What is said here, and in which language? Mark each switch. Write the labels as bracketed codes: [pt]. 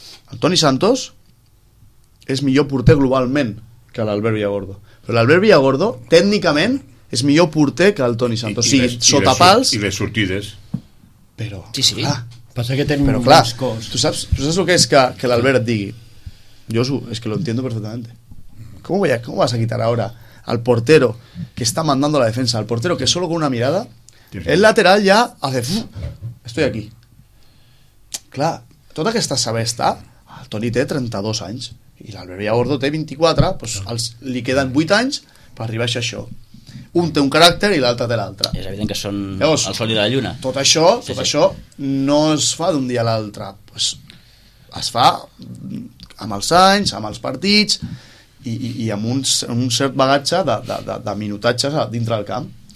[ca] El Toni Santos és millor porter globalment que l'Albert Villagordo. Però l'Albert Villagordo, tècnicament, és millor porter que el Toni Santos. I les sortides. Però... Sí, sí. Passa que tenen més cos. Tu saps el que és que l'Albert et digui? Jo és que [es] lo entiendo perfectamente. ¿Cómo vas a quitar ahora al portero que está mandando la defensa? Al portero que solo con una mirada, el lateral ya hace... Estoy aquí. Clar, [ca] tota aquesta sabesta, el Toni té 32 anys i l'Albert Villabordo té 24, doncs els, li queden 8 anys per arribar a això. Un té un caràcter i l'altre té l'altre. És evident que són llavors, el sol i la lluna. Tot això, sí, tot sí. Això no es fa d'un dia a l'altre. Pues es fa amb els anys, amb els partits i amb un cert bagatge de minutatges dintre del camp.